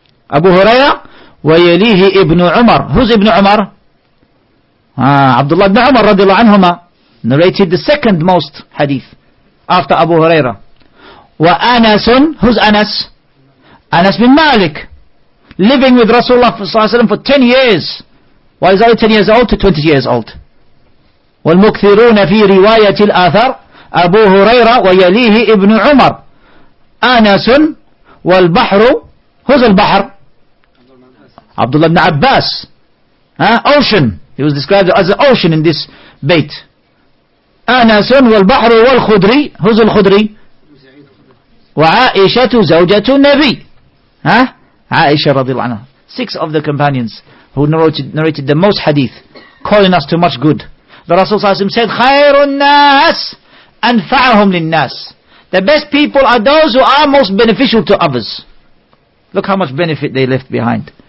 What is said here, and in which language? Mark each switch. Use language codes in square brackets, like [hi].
[ar] Abu Hurairah, وَيَلِيهِ إِبْنُ عُمَرَ. [en] Who's Ibn Umar? Abdullah ibn Umar radiallahu anhuma narrated the second most hadith after Abu Hurairah. وَأَنَسٌ. Who's Anas? Anas bin Malik, living with Rasulullah sallallahu alayhi wa sallam for 10 years. Why is that 10 years old to 20 years old? [ar] وَالْمُكْثِرُونَ فِي رِوَايَةِ الْأَثَرِ أبو هريرة ويليه ابن عمر أنس والبحر. [en] Who's [ar] البحر؟ عبد الله بن عباس. [en] Ocean. He was described as an ocean in this bait. [ar] أنس والبحر والخدري. [en] Who's [ar] الخدري؟ وعائشة زوجة النبي. عائشة رضي الله عنها. [en] Six of the companions who narrated the most hadith, calling us to much good. The Rasul [ar] صلى الله عليه وسلم [en] said, [ar] خير الناس أنفعهم للناس. [en] The best people are those who are most beneficial to others. Look how much benefit they left behind.